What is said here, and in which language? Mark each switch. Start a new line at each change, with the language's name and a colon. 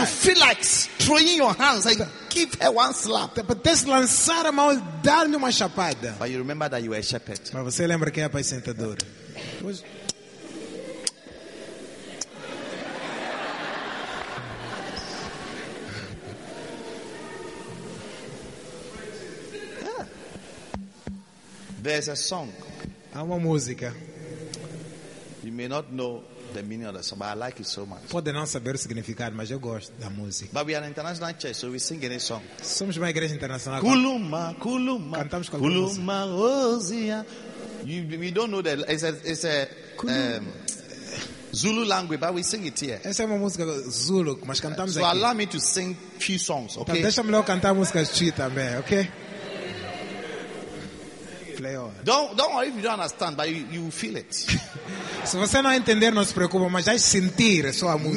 English: You feel like throwing your hands and give her one slap.
Portuguese: Depende-se lançar a mão e dar-lhe uma chapada.
English: But you remember that you were a shepherd.
Portuguese: Mas você lembra que é apacentador.
English: There's a song.
Portuguese: Há uma música.
English: You may not know the meaning of the song, but I like it so much.
Portuguese: Pode não saber o significado, mas eu gosto da música.
English: But we are an international church, so we sing any song.
Portuguese: Somos uma igreja internacional. Kuluma, Kuluma. Cantamos com
English: Kuluma, Ozia. We don't know the. It's a. Zulu language, but we sing it here.
Portuguese: Essa é uma música Zulu, mas cantamos
English: so
Portuguese: aqui.
English: So allow me to sing few songs, okay?
Portuguese: Então deixa-me lá cantar músicas chi também, okay?
English: Play on. Don't worry if you don't understand, but you will feel it.
Portuguese: Se você não entender, não se preocupe, mas vai sentir só a música.